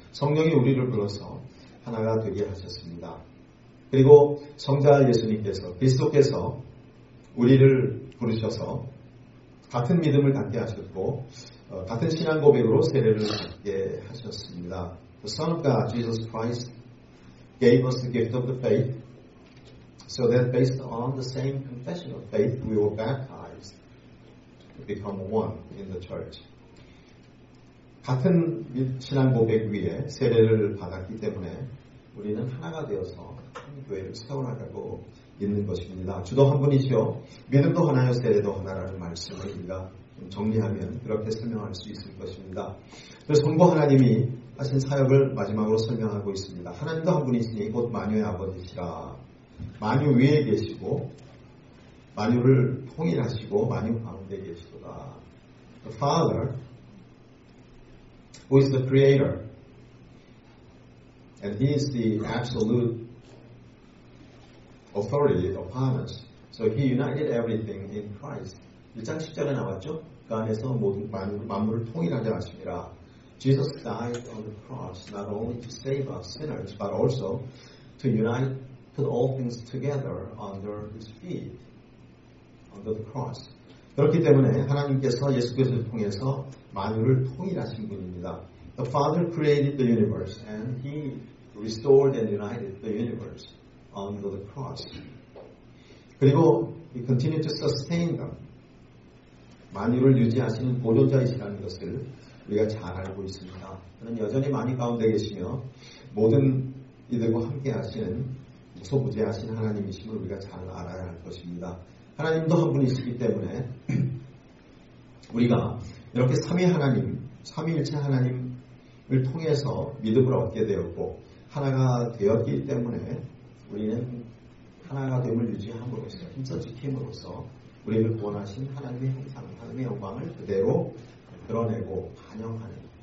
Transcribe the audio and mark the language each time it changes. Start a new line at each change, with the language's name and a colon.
Korean: 성령이 우리를 불러서 하나가 되게 하셨습니다. 그리고 성자 예수님께서 그리스도께서 우리를 부르셔서 같은 믿음을 갖게 하셨고 같은 신앙 고백으로 세례를 받게 하셨습니다.
English: The Son of God, Jesus Christ, gave us the gift of the faith. So that based on the same confession of faith, we were baptized to become one in the church.
Korean: 같은 신앙 고백 위에 세례를 받았기 때문에 우리는 하나가 되어서 한 교회를 세워나가고 있는 것입니다. 주도 한 분이시요, 믿음도 하나요, 세례도 하나라는 말씀을 우리가 좀 정리하면 그렇게 설명할 수 있을 것입니다. 그래서 성부 하나님이 하신 사역을 마지막으로 설명하고 있습니다. 하나님도 한 분이시니 곧 마녀의 아버지시라. 만유 위에 계시고 만유를 통일하시고 만유 가운데 계시도다.
English: The Father who is the creator and he is the absolute authority upon us. So he united everything in Christ.
Korean: 1장 10절에 나왔죠? 그 안에서 모든 만물을 통일하게 하십니다.
English: Jesus died on the cross not only to save us sinners but also to unite put all things together under his feet, under the cross.
Korean: 그렇기 때문에 하나님께서 예수께서 통해서 만유를 통일하신 분입니다.
English: The Father created the universe and he restored and united the universe under the cross.
Korean: 그리고
English: he continued to sustain them.
Korean: 만유를 유지하시는 보존자이시라는 것을 우리가 잘 알고 있습니다. 그는 여전히 만유 가운데 계시며 모든 이들과 함께 하시는 소부재하신 하나님이심을 우리가 잘 알아야 할 것입니다. 하나님도 한 분이시기 때문에 우리가 이렇게 삼위 하나님, 삼위일체 하나님을 통해서 믿음을 얻게 되었고 하나가 되었기 때문에 우리는 하나가 됨을 유지함으로써 힘써 지킴으로써 우리를 구원하신 하나님의 형상, 하나님의 영광을 그대로 드러내고 반영하는